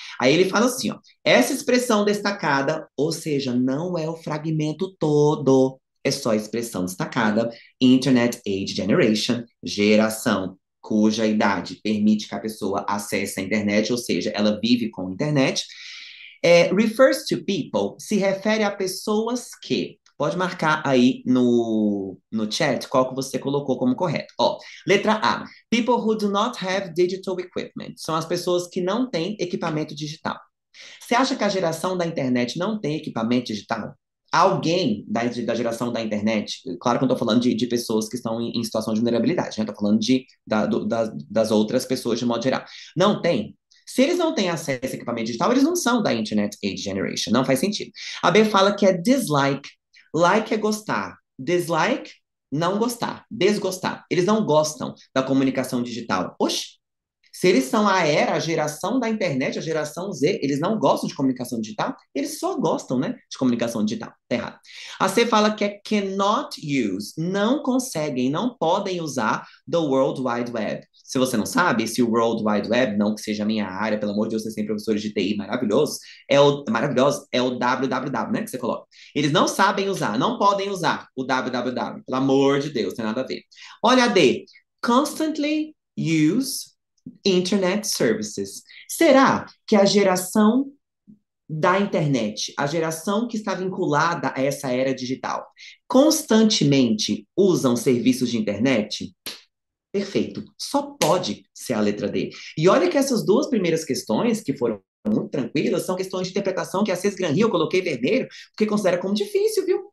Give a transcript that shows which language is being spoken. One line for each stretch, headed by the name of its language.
Portuguese: Aí ele fala assim, ó, essa expressão destacada, ou seja, não é o fragmento todo, é só a expressão destacada,
English: Internet Age Generation,
Portuguese: geração cuja idade permite que a pessoa acesse a internet, ou seja, ela vive com a internet. É,
English: refers to people,
Portuguese: se refere a pessoas que. Pode marcar aí no chat qual que você colocou como correto. Ó, letra A.
English: People who do not have digital equipment.
Portuguese: São as pessoas que não têm equipamento digital. Você acha que a geração da internet não tem equipamento digital? Alguém da geração da internet, claro que eu não estou falando de pessoas que estão em situação de vulnerabilidade, né? Estou falando das outras pessoas de modo geral. Não tem. Se eles não têm acesso a equipamento digital, eles não são da Internet Age Generation. Não faz sentido. A B fala que é dislike. Like é gostar. Dislike, não gostar. Desgostar. Eles não gostam da comunicação digital. Oxi! Se eles são a era, a geração da internet, a geração Z, eles não gostam de comunicação digital? Eles só gostam, né, de comunicação digital. Tá errado. A C fala que é
English: cannot use,
Portuguese: não conseguem, não podem usar the World Wide Web. Se você não sabe, se o World Wide Web, não que seja a minha área, pelo amor de Deus, vocês têm professores de TI maravilhosos, é o www, né, que você coloca. Eles não sabem usar, não podem usar o www, pelo amor de Deus, tem nada a ver. Olha a D,
English: constantly use Internet Services.
Portuguese: Será que a geração da internet, a geração que está vinculada a essa era digital, constantemente usam serviços de internet? Perfeito. Só pode ser a letra D. E olha que essas duas primeiras questões, que foram muito tranquilas, são questões de interpretação que a Cesar Granry eu coloquei vermelho, porque considera como difícil, viu?